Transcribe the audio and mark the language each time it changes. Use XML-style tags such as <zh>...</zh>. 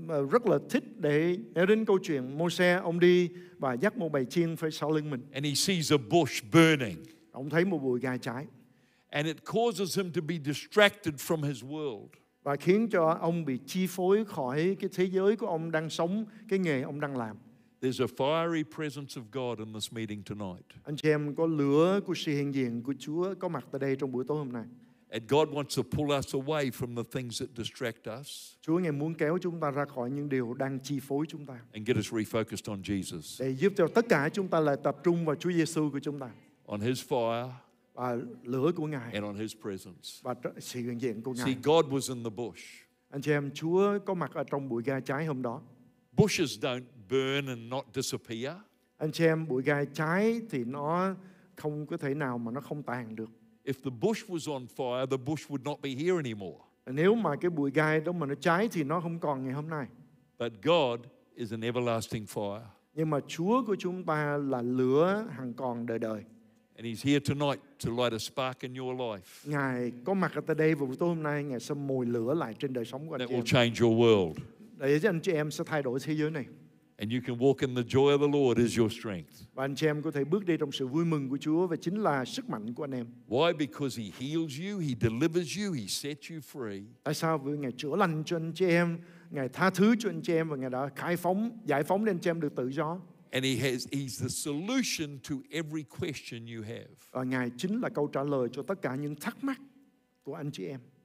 <vi>Rất là thích để nói đến câu chuyện Môi-se, ông đi và dắt một bầy chiên phải sau lưng mình.</vi> <en>And he sees a bush burning.</en> <vi>Ông thấy một bụi gai cháy.</vi> <en>And it causes him to be distracted from his world.</en> <vi>Và khiến cho ông bị chi phối khỏi cái thế giới của ông đang sống, cái nghề ông đang làm.</vi> <en>There's a fiery presence of God in this meeting tonight.</en> <vi>Anh chị em, có lửa của sự hiện diện của Chúa có mặt tại đây trong buổi tối hôm nay.</vi> <en>And God wants to pull us away from the things that distract us.</en> <vi>Chúa ngài muốn kéo chúng ta ra khỏi những điều đang chi phối chúng ta.</vi> <en>And get us refocused on Jesus.</en> <vi>Để giúp cho tất cả chúng ta lại tập trung vào Chúa Giêsu của chúng ta.</vi> <en>On His fire.</en> <vi>Và lửa của ngài.</vi> <en>And on His presence.</en> <vi>Và sự hiện diện của ngài.</vi> <en>See, God was in the bush.</en> <vi>Anh chị em, Chúa có mặt ở trong bụi gai cháy hôm đó.</vi> <en>Bushes don't burn and not disappear.</en> <vi>Anh chị em, bụi gai cháy thì nó không có thể nào mà nó không tàn được.</vi> <en>If the bush was on fire, the bush would not be here anymore.</en> <vi>Nếu mà cái bụi gai đó mà nó cháy thì nó không còn ngày hôm nay.</vi> <en>But God is an everlasting fire.</en> <vi>Nhưng mà Chúa của chúng ta là lửa hằng còn đời đời.</vi> <en>And he's here tonight to light a spark in your life.</en> <vi>Ngài có mặt ở tại đây vào tối hôm nay, Ngài sẽ mồi lửa lại trên đời sống của anh chị em.</vi> <en>That will change your world.</en> <vi>Để cho anh chị em sẽ thay đổi thế giới này.</vi> <en>And you can walk in the joy of the Lord is your strength.</en> <vi>Và anh chị em có thể bước đi trong sự vui mừng của Chúa và chính là sức mạnh của anh em.</vi> <en>Why? Because he heals you, he delivers you, he sets you free.</en> <vi>Tại sao? Vì Ngài chữa lành cho anh chị em, Ngài tha thứ cho anh chị em và Ngài đã khai phóng, giải phóng lên anh chị em được tự do.</vi> <en>And he has, he's the solution to every question you have.</en> <vi>Và Ngài chính là câu trả lời cho tất cả những thắc mắc của anh chị em.</vi>